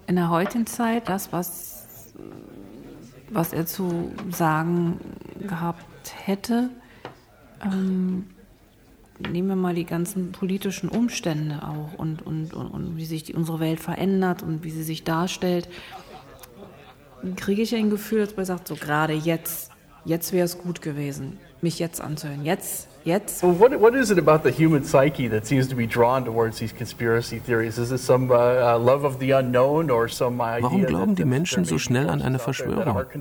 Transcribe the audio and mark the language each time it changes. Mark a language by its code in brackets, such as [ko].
[de] In der heutigen Zeit, das, was er zu sagen gehabt hätte, nehmen wir mal die ganzen politischen Umstände auch und wie sich unsere Welt verändert und wie sie sich darstellt, kriege ich ein Gefühl, dass man sagt, so gerade jetzt wäre es gut gewesen, mich jetzt anzuhören, jetzt. [en] Well, what is it about the human psyche that seems to be drawn towards these conspiracy theories? Is it some love of the unknown or some idea? [de] Warum glauben die Menschen so schnell an eine Verschwörung?